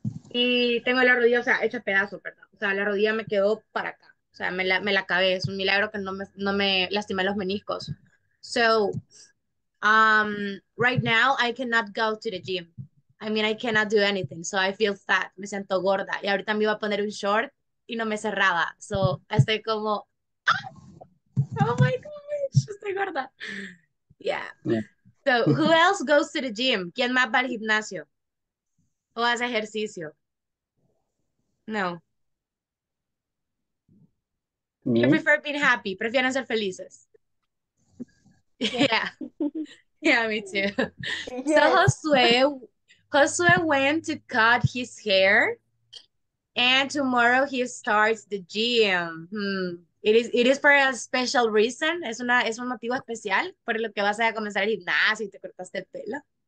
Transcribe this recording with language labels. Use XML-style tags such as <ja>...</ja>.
<es>Y tengo la rodilla, o sea, hecha pedazo, perdón. O sea, la rodilla me quedó para acá. O sea, me la acabé. Es un milagro que no me lastimé los meniscos.</es> <en>So, right now I cannot go to the gym. I mean, I cannot do anything, so I feel fat.</en> <es>Me siento gorda. Y ahorita me iba a poner un short y no me cerraba. So, estoy como,</es> <en>oh my gosh,</en> <es>estoy gorda.</es> <en>Yeah. So, who else goes to the gym?</en> <es>¿Quién más va al gimnasio? ¿O hace ejercicio? No.</es> <en>Me. Prefer being happy.</en> <es>Prefieren ser felices.</es> <en>Yeah. Yeah, me too. So, Yes. Josué. Josué went to cut his hair, and tomorrow he starts the gym. It is for a special reason.</en> <es>Es un motivo especial por lo que vas a comenzar el gimnasio y te cortaste el pelo.</es>